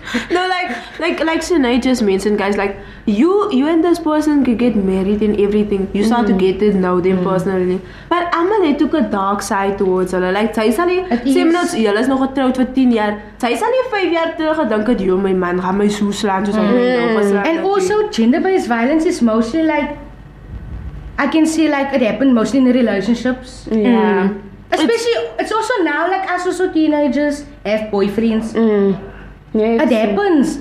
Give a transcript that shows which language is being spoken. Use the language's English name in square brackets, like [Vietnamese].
[English] No, like Sinead just mentioned, guys, like, you and this person could get married and everything. You start to get to know them personally. But I'm a little bit dark side towards her. [Afrikaans] Like, sy sal nie, sy moet nou, jylle is nog getrouwd vir 10 jaar. Sy sal nie 5 jaar terug gedink het, yo, my man, gaan my so slaan, soos my nou geslaan. [English] And also, gender-based violence is mostly, like, I can see, like, it happened mostly in the relationships. Yeah. Especially, it's also now, like, as also teenagers have boyfriends. Yeah, it happens.